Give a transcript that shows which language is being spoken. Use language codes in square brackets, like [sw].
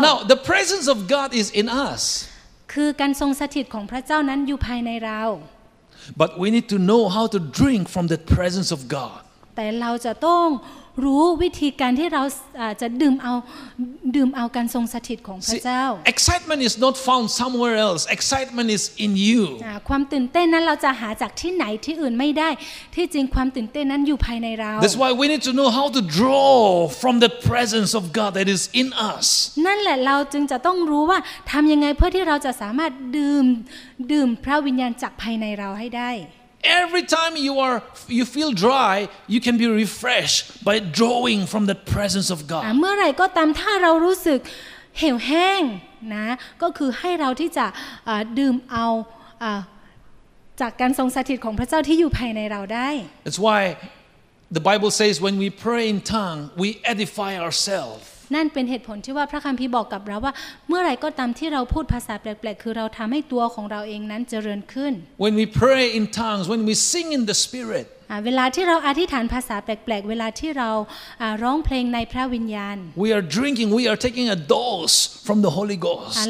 [en] now the presence of God is in us [th] คือการทรงสถิตของพระเจ้านั้นอยู่ภายในเรา [en] but we need to know how to drink from the presence of God [th] แต่เราจะต้องรู้วิธีการที่เราจะดื่มเอาการทรงสถิตของพระเจ้า [en] excitement is not found somewhere else excitement is in you [th] ความตื่นเต้นนั้นเราจะหาจากที่ไหนที่อื่นไม่ได้ที่จริงความตื่นเต้นนั้นอยู่ภายในเรา [en] That's why we need to know how to draw from the presence of God that is in us [th] นั่นแหละเราจึงจะต้องรู้ว่าทำยังไงเพื่อที่เราจะสามารถดื่มพระวิญญาณจากภายในเราให้ได้ [en] Every time you feel dry, you can be refreshed by drawing from the presence of God. [th] เมื่อไรก็ตามถ้าเรารู้สึกเหี่ยวแห้งนะก็คือให้เราที่จะดื่มเอาจากการทรงสถิตของพระเจ้าที่อยู่ภายในเราได้ [en] That's why the Bible says when we pray in tongue, we edify ourselves. [th] นั่นเป็นเหตุผลที่ว่าพระคัมภีร์บอกกับเราว่าเมื่อไรก็ตามที่เราพูดภาษาแปลกๆคือเราทำให้ตัวของเราเองนั้นเจริญขึ้น [en] When we pray in tongues when we sing in the spirit [th] เวลาที่เราอธิษฐานภาษาแปลกๆเวลาที่เราร้องเพลงในพระวิญญาณ [en] We are drinking we are taking a dose from the Holy Ghost